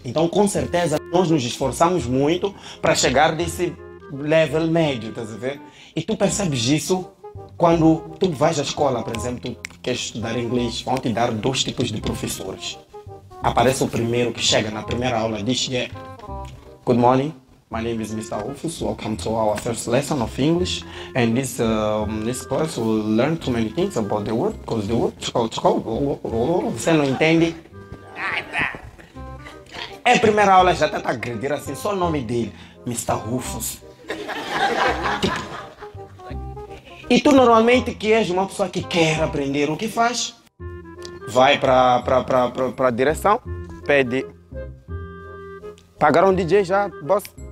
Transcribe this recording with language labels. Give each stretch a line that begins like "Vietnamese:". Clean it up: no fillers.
Portuguese: Então, com certeza, nós nos esforçamos muito para chegar desse level médio, estás a ver? E tu percebes isso quando tu vais à escola, por exemplo, tu queres estudar inglês, vão te dar dois tipos de professores. Aparece o primeiro que chega na primeira aula e diz, yeah.
English: Good morning, my name is Mr. Rufus. Welcome to our first lesson of English. And this this class will learn too many things about the word, because the word is called...
Portuguese: Você não entende? É a primeira aula, já tenta agredir assim, só o nome dele, Mr. Rufus. E tu normalmente que és uma pessoa que quer aprender, o que faz? Vai pra direção, pede... Pagaram o DJ já, boss?